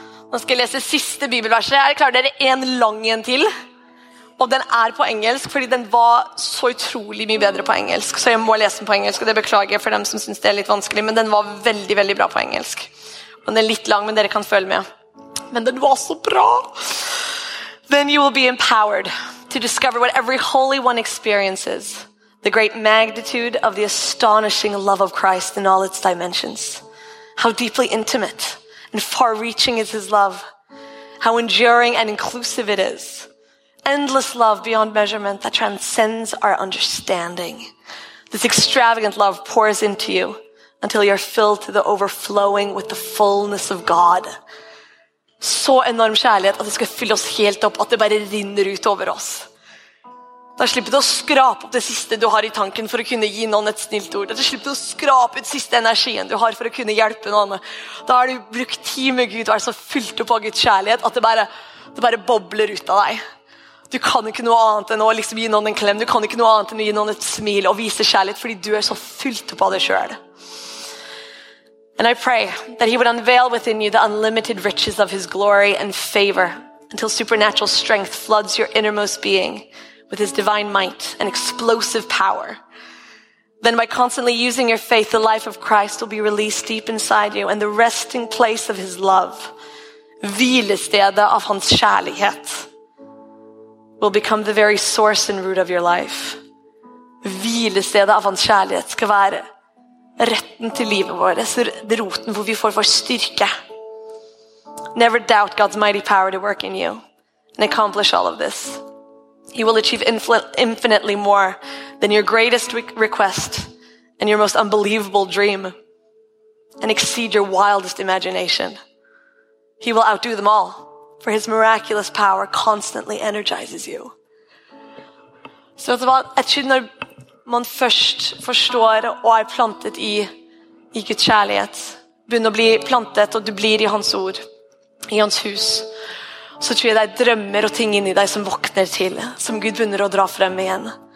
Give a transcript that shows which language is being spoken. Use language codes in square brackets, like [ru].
[no] Nå skal jeg lese siste bibelverset. Klarer dere en lang en til? Og den på engelsk, fordi den var så utrolig mye bedre på engelsk. Så jeg må lese den på engelsk, og det beklager jeg for dem som synes det litt vanskelig, men den var veldig, veldig bra på engelsk. Og den litt lang, men dere kan følge med. Men den var så bra! [en] Then you will be empowered to discover what every holy one experiences. The great magnitude of the astonishing love of Christ in all its dimensions. How deeply intimate and far-reaching is his love. How enduring and inclusive it is. Endless love beyond measurement that transcends our understanding. This extravagant love pours into you until you're filled to the overflowing with the fullness of God. [no] Så enorm kjærlighet at det skal fylle oss helt opp, at det bare rinner ut over oss. Da slipper du å skrape opp det siste du har i tanken for å kunne gi noen et snilt ord. Da slipper du å skrape ut siste energien du har for å kunne hjelpe noen. Da har du brukt tid med Gud og så fylt opp av Guds kjærlighet at det bare bobler ut av deg. Du kan ikke noe annet enn å liksom gi noen en klem. Du kan ikke noe annet enn å gi noen et smil og vise kjærlighet, fordi du så fylt opp av deg selv. [en] And I pray that he would unveil within you the unlimited riches of his glory and favor until supernatural strength floods your innermost being with his divine might and explosive power. Then by constantly using your faith, the life of Christ will be released deep inside you and the resting place of his love, [no] hvilestedet av hans kjærlighet, [en] will become the very source and root of your life. [no] Hvilestedet av hans kjærlighet skal være retten til livet vårt, roten hvor vi får vår styrke. [en] Never doubt God's mighty power to work in you and accomplish all of this. You will achieve infinitely more than your greatest request and your most unbelievable dream and exceed your wildest imagination. He will outdo them all. For his miraculous power constantly energizes you. [no] Så det var når man først forstår og plantet i Guds kjærlighet, begynner å bli plantet og du blir i hans ord, i hans hus, så tror jeg det drømmer og ting inni deg som våkner til, som Gud begynner å dra frem igjen.